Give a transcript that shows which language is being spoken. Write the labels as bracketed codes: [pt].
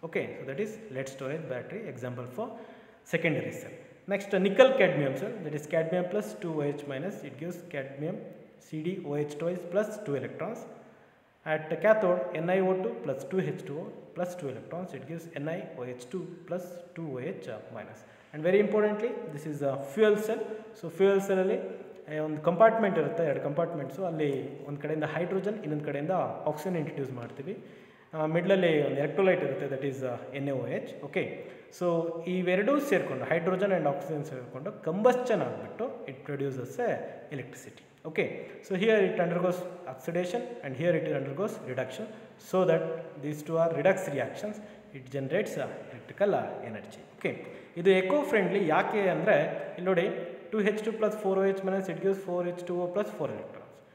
[en] Okay, so that is lead storage battery, example for secondary cell. Next nickel cadmium cell, that is ಕ್ಯಾಡ್ಮಿಯಮ್+2OH-, it gives CdOH2+2 electrons. At cathode NiO2+2H2O+2 electrons, it gives NiOH2+2OH-. and very importantly this is a fuel cell. [kn] So fuel cell alli ಒಂದು compartment ಇರುತ್ತೆ, ಎರಡು ಕಂಪಾರ್ಟ್ಮೆಂಟ್ಸು. ಅಲ್ಲಿ ಒಂದು ಕಡೆಯಿಂದ hydrogen, ಇನ್ನೊಂದು ಕಡೆಯಿಂದ oxygen introduce ಮಾಡ್ತೀವಿ. ಮಿಡ್ಲಲ್ಲಿ ಒಂದು ಎಲೆಕ್ಟ್ರೋಲೈಟ್ ಇರುತ್ತೆ, that is N A O H. Okay, so ಇವೆರಡೂ ಸೇರಿಕೊಂಡು ಹೈಡ್ರೋಜನ್ ಆ್ಯಂಡ್ ಆಕ್ಸಿಜನ್ ಸೇರಿಕೊಂಡು ಕಂಬಸ್ಚನ್ ಆಗಿಬಿಟ್ಟು [en] It produces a electricity. Okay, so here it undergoes oxidation and here it undergoes reduction. So that these two are redox reactions, it generates a electrical energy. [kn] Okay, ಇದು eco friendly. ಯಾಕೆ ಅಂದರೆ ಇಲ್ಲಿ ನೋಡಿ, 2H2+4OH- [en] it gives 4H2O plus 4 electrons.